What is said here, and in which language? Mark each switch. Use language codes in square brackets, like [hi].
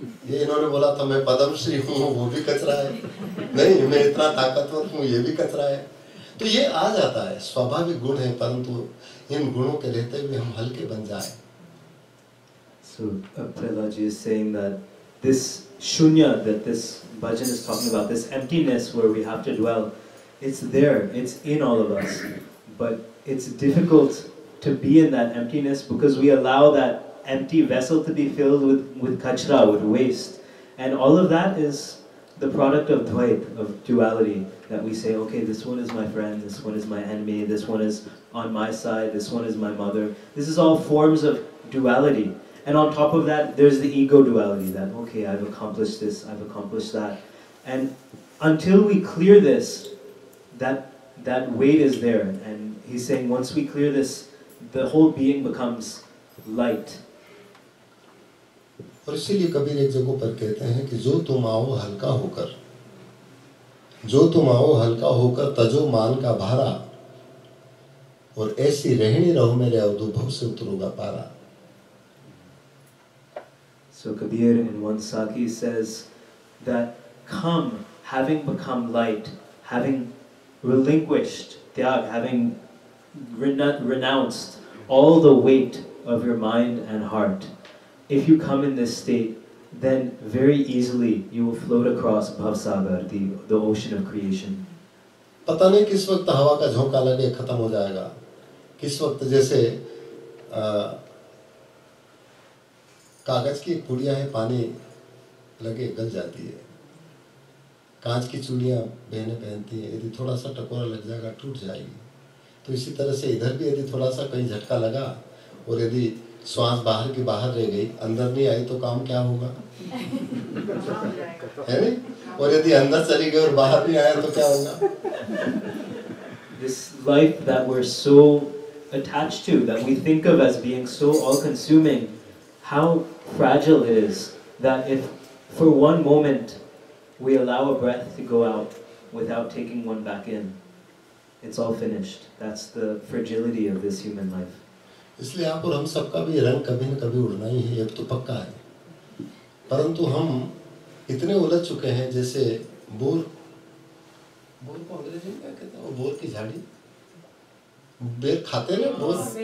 [hi] ये इन्होंने बोला था मैं पद्मश्री हूँ वो भी कचरा है, नहीं मैं इतना ताकतवर हूँ ये भी कचरा है, तो ये आ जाता है, स्वाभाविक गुण है, परंतु इन गुणों के रहते हुए हम हल्के बन जाए। [en] This shunya that this bhajan is talking about, this emptiness where we have to dwell, it's there, it's in all of us, but it's difficult to be in that emptiness, because we allow that empty vessel to be filled with kachra, with waste. And all of that is the product of dvait, of duality, that we say, okay, this one is my friend, this one is my enemy, this one is on my side, this one is my mother. This is all forms of duality. And on top of that, there's the ego duality, that, okay, I've accomplished this, I've accomplished that. And until we clear this, that weight is there. And he's saying, once we clear this, the whole being becomes light. [hi] और इसीलिए कबीर एक जगह पर कहते हैं कि जो तुम आओ हल्का होकर, जो तुम आओ हल्का होकर, तजो मान का भारा, और ऐसी रहनी रहो मेरे अवधु भव से उतरूंगा पारा. [en] So Kabir in one Saki says that come, having become light, having relinquished tyag, having renounced all the weight of your mind and heart, if you come in this state, then very easily you will float across Bhavsagar, the ocean of creation. [hi] पता नहीं किस वक्त हवा का झोंका लगे खत्म हो जाएगा, किस वक्त जैसे कागज की पुड़िया है पानी लगे गल जाती है, कांच की चूड़ियां बहने पहनती है, यदि थोड़ा सा टकोरा लग जाएगा टूट जाएगी. तो इसी तरह से इधर भी यदि थोड़ा सा कहीं झटका लगा और यदि श्वास बाहर की बाहर रह गई, अंदर नहीं आई तो काम क्या होगा, है नहीं? और यदि अंदर चली गई और बाहर नहीं आया तो क्या होगा? [en] This life that we're so attached to, that we think of as being so all-consuming, how fragile it is, that if for one moment we allow a breath to go out without taking one back in, it's all finished. That's the fragility of this human life. [hi] इसलिए आप और हम सबका भी रंग कभी न कभी उड़ना ही है, अब तो पक्का है. परंतु हम इतने उलझ चुके हैं जैसे बोर, बोर को अंग्रेजी में क्या कहते हैं, बोर की झाड़ी, बेर खाते ना, बोर